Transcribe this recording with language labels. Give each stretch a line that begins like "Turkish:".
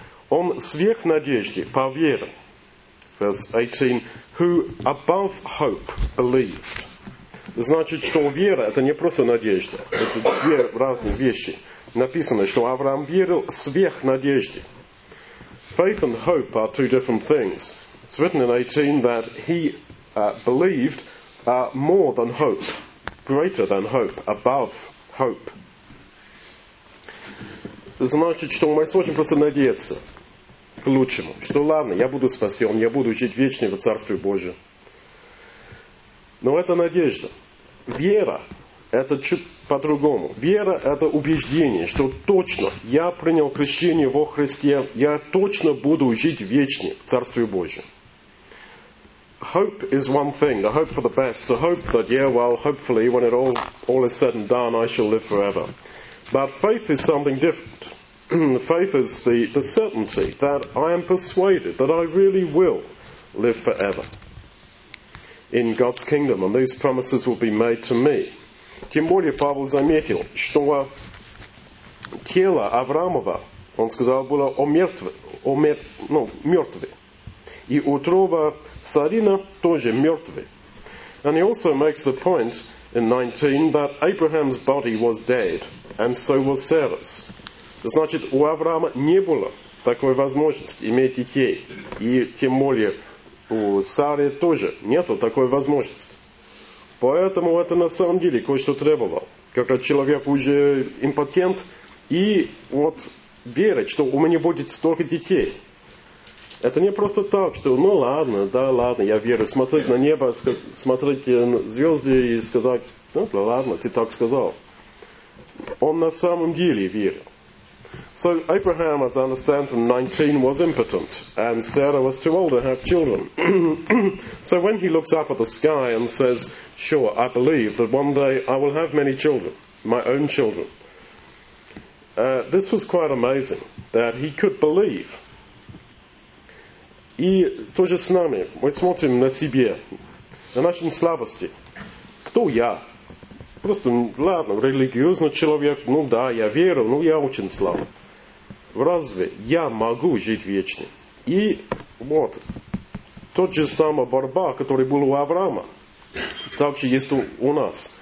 Russian: Он сверх надежды поверил.
English: Verse 18. Who above hope believed.
Russian: Значит, что вера – это не просто надежда. Это две разные вещи. Написано, что Авраам верил сверх надежды.
English: Faith and hope are two different things. It's written in 18 that he believed more than hope, greater than hope, above hope.
Russian: Значит, что мы сможем просто надеяться к лучшему, что ладно, я буду спасен, я буду жить вечно в Царстве Божьем. Но это надежда. Вера – это чуть по-другому. Вера – это убеждение, что точно я принял крещение во Христе, я точно буду жить вечно в Царстве Божьем.
English: Hope is one thing, the hope for the best, the hope that, yeah, well, hopefully when it all is said and done, I shall live forever. But faith is something different. Faith is the certainty that I am persuaded that I really will live forever in God's kingdom, and these promises will be made to me.
Russian: Тем более Павел заметил, что тело Авраамова, он сказал, было мертвое. И утроба Сарина тоже мертвы.
English: And he also makes the point in 19 that Abraham's body was dead, and so was Sarah's.
Russian: Значит, у Авраама не было такой возможности иметь детей. И тем более у Сары тоже нету такой возможности. Поэтому это на самом деле кое-что требовало. Когда человек уже импотент, и вот верит, что у меня будет столько детей. Это не просто так, что, ну ладно, да ладно, я верю. Смотреть на небо, смотреть на звезды и сказать, ну да ладно, ты так сказал. Он на самом деле верил.
English: So Abraham, as I understand from 19, was impotent, and Sarah was too old to have children. So when he looks up at the sky and says, sure, I believe that one day I will have many children, my own children. This was quite amazing, that he could believe.
Russian: И тоже с нами. Мы смотрим на себе, на нашем слабости. Кто я? Просто, ладно, религиозный человек, ну да, я верю, но я очень слаб. Разве я могу жить вечно? И вот, тот же самый борьба, который был у Авраама, также есть у нас.